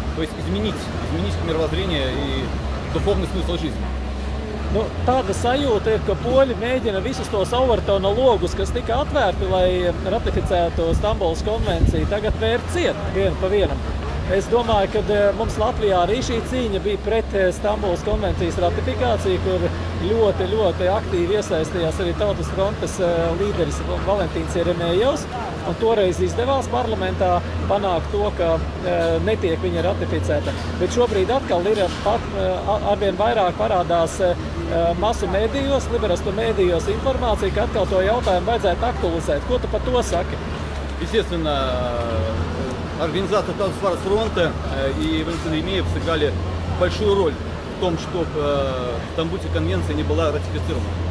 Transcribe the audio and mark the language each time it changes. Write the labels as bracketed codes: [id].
[ru] То есть изменить мировоззрение и духовный смысл жизни. [lv] Nu, tāda sajūta ir, ka poļi mēģina visus tos Overtona logus, kas tika atvērti, lai ratificētu Stambulas konvenciju, tagad vērt ciet vienu pa vienam. Es domāju, ka mums Latvijā arī šī cīņa bija pret Stambulas konvencijas ratifikāciju, kur ļoti, ļoti aktīvi iesaistījās arī Tautas frontes līderis Valentīns Jeremejevs. Un toreiz izdevās parlamentā panākt to, ka netiek viņa ratificēta. Bet šobrīd atkal ir arvien vairāk parādās masu mēdījos, liberastu mēdījos informācija, ka atkal to jautājumu vajadzētu aktualizēt. Ko tu par to saki? [ru] Естественно, организация Tautas Paras Fronte и Валентин Еремеев сыграли большую роль в том, чтобы Стамбульская конвенция не была ратифицирована.